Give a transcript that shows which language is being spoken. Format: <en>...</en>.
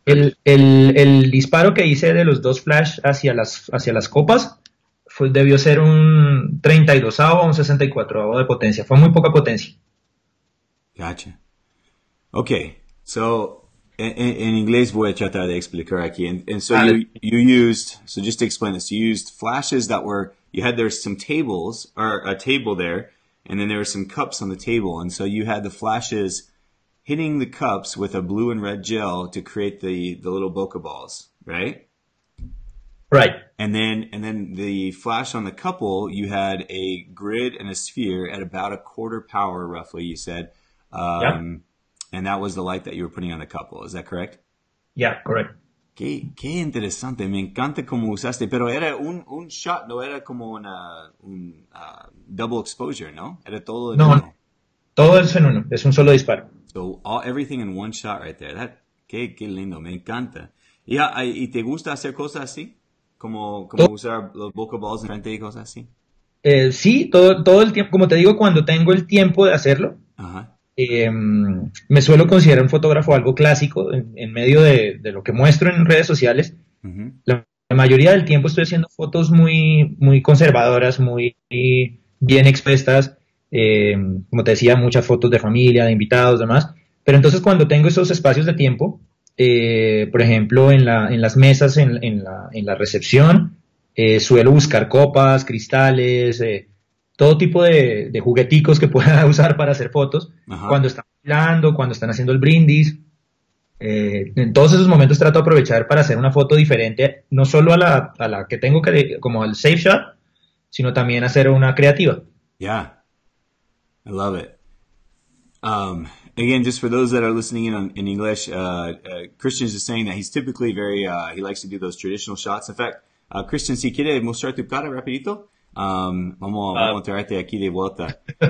<es>El disparo que hice de los dos flash hacia las copas fue, debió ser un 32avo o un 64avo de potencia. Fue muy poca potencia.</es> <en>Gotcha. Okay.</en> <es>So, en inglés voy a tratar de explicar aquí.</es> <en>And so</en> <es>Dale.</es> <en>you used, so just to explain this, you used flashes that were, you had there some tables or a table there, and then there were some cups on the table. And so you had the flashes hitting the cups with a blue and red gel to create the little bokeh balls, right? Right. And then the flash on the couple, you had a grid and a sphere at about a quarter power, roughly, you said. And that was the light that you were putting on the couple. Is that correct? Yeah, correct.</en> <es>Qué interesante. Me encanta cómo usaste. Pero era un shot, no era como un double exposure, ¿no? Era todo en No, uno. todo eso en uno, es un solo disparo.</es> <en>So everything in one shot right there.</en> <es>Qué lindo. Me encanta. Yeah, ¿y te gusta hacer cosas así? Como usar los bokeh balls en frente y cosas así. Sí, todo el tiempo, como te digo, cuando tengo el tiempo de hacerlo, me suelo considerar un fotógrafo algo clásico en medio de lo que muestro en redes sociales. La mayoría del tiempo estoy haciendo fotos muy, muy conservadoras, muy bien expuestas, como te decía, muchas fotos de familia, de invitados, demás. Pero entonces cuando tengo esos espacios de tiempo, por ejemplo, en las mesas, en la recepción, suelo buscar copas, cristales, todo tipo de jugueticos que pueda usar para hacer fotos, cuando están bailando, cuando están haciendo el brindis. En todos esos momentos trato de aprovechar para hacer una foto diferente, no solo a la que tengo como el safe shot, sino también hacer una creativa.</es> <en>Yeah, I love it. Again, just for those that are listening in English, Christian's just saying that he's typically very he likes to do those traditional shots. In fact,</en> <es>Christian, si quiere mostrar tu cara rapidito, vamos a traerte aquí de vuelta.</es>